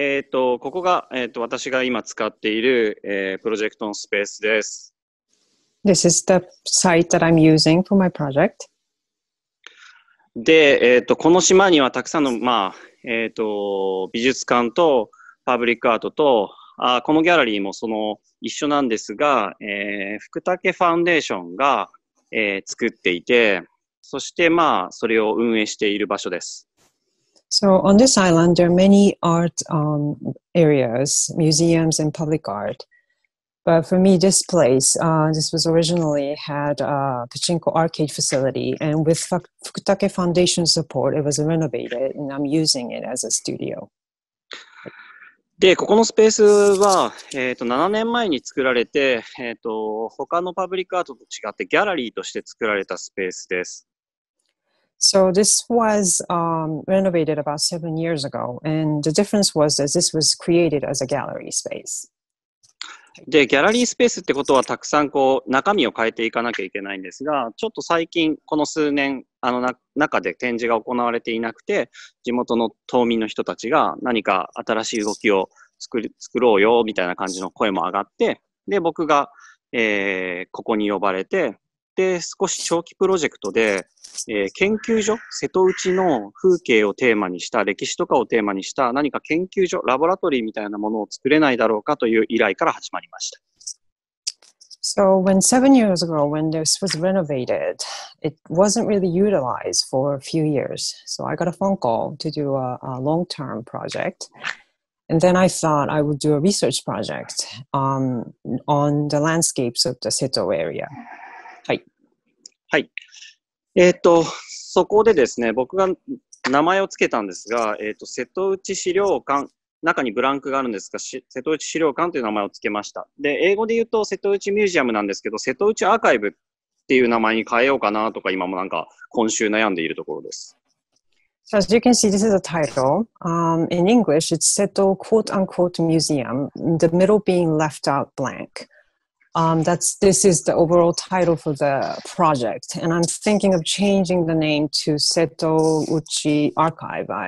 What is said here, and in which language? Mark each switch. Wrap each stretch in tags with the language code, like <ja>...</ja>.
<ja>ここが、私が今使っている、プロジェクトのスペースです。</ja> <en>This is the site that I'm using for my project.</en> <ja>で、この島にはたくさんの、美術館とパブリックアートと、このギャラリーもその一緒なんですが、福武ファウンデーションが、作っていて、そして、それを運営している場所です。</ja> <en>So on this island, there are many art areas, museums and public art. But for me, this place, this was originally had a pachinko arcade facility, and with Fukutake Foundation support, it was renovated, and I'm using it as a studio.</en> <ja>で、ここのスペースは、7年前に作られて、他のパブリックアートと違ってギャラリーとして作られたスペースです。</ja> <en>So this was renovated about 7 years ago, and the difference was that this was created as a gallery space.</en> <ja>で、ギャラリースペースってことはたくさんこう中身を変えていかなきゃいけないんですが、ちょっと最近この数年あの中で展示が行われていなくて、地元の島民の人たちが何か新しい動きを作ろうよみたいな感じの声も上がって、で僕が、ここに呼ばれて、で少し長期プロジェクトで、研究所、瀬戸内の風景をテーマにした、歴史とかをテーマにした何か研究所、ラボラトリーみたいなものを作れないだろうかという依頼から始まりました。</ja> <en>So when 7 years ago when this was renovated, it wasn't really utilized for a few years. So I got a phone call to do a long-term project. And then I thought I would do a research project on the landscapes of the Seto area.</en> <ja>はい、そこでですね、僕が名前をつけたんですが、瀬戸内資料館、中にブランクがあるんですが、瀬戸内資料館という名前をつけました。で、英語で言うと瀬戸内ミュージアムなんですけど、瀬戸内アーカイブっていう名前に変えようかなとか、今もなんか今週悩んでいるところです。</ja> <en>So as you can see, this is a title. In English, it's Seto quote unquote museum, the middle being left out blank. This is the overall title for the project, and I'm thinking of changing the name to Seto Uchi Archive.</en>